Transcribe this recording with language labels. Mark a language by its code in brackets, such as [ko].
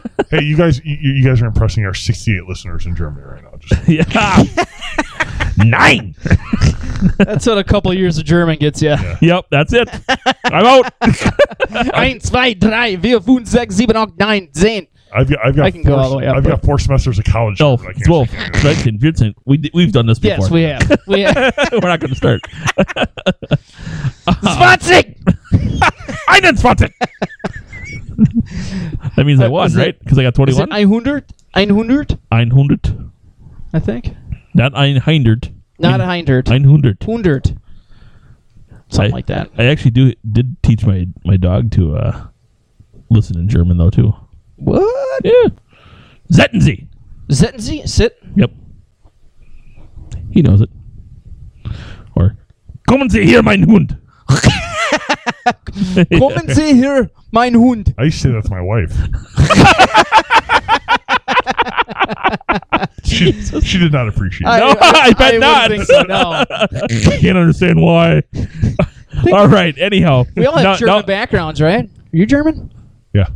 [en] Hey, you guys are impressing our 68 listeners in Germany right now. Just Nine. That's what a couple of years of German gets you. Yeah. Yep, that's it. I'm out. [de] Eins, zwei, drei, vier, fünf, sechs, sieben, acht, neun, zehn. [en] I've got four semesters of college. Oh, 12, 13, 14. We've done this before. Yes, we have. We have. We're not going to start. 20! [de] Einen 20! [en] That means I won, right? Because I got 21? Is it 100? 100? 100. I think. Not 100. Not 100. 100. 100. Something like that. I actually did teach my dog to listen in German, though, too. What? [de] Yeah. Setzen Sie. Setzen Sie? Sit? [en] Yep. He knows it. [de] Or, kommen Sie hier, mein Hund. Kommen Sie hier, mein Hund. [en] I used to say that to my wife. She did not appreciate it. I bet not. So, no. Can't understand why. All right. Anyhow. We all have German backgrounds, right? Are you German? Yeah.